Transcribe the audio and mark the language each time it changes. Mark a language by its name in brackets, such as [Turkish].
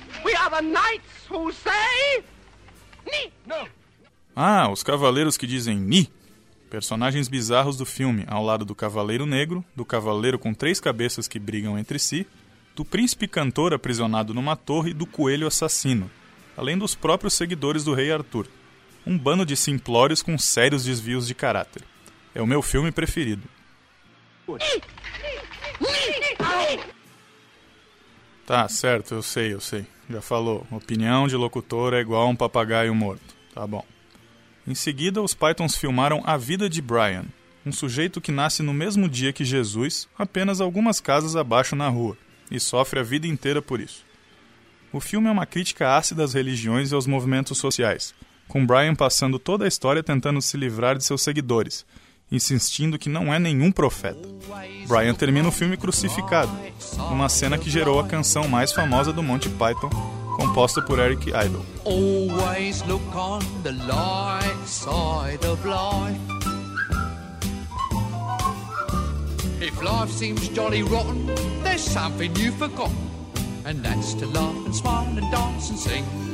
[English] We are the knights who say... [Portuguese] Ah, os cavaleiros que dizem ni. Personagens bizarros do filme, ao lado do cavaleiro negro, do cavaleiro com três cabeças que brigam entre si, do príncipe cantor aprisionado numa torre e do coelho assassino, além dos próprios seguidores do rei Arthur. Um bando de simplórios com sérios desvios de caráter. É o meu filme preferido. Tá, certo, eu sei. Já falou, opinião de locutor é igual a um papagaio morto. Tá bom. Em seguida, os Pythons filmaram A Vida de Brian, um sujeito que nasce no mesmo dia que Jesus, apenas algumas casas abaixo na rua, e sofre a vida inteira por isso. O filme é uma crítica ácida às religiões e aos movimentos sociais, com Brian passando toda a história tentando se livrar de seus seguidores, insistindo que não é nenhum profeta. Brian termina o filme crucificado, uma cena que gerou a canção mais famosa do Monty Python, composta por Eric Idle. [English] Always look on the light side of life. If life seems jolly rotten, there's something you've forgotten, and that's to laugh and smile and dance and sing.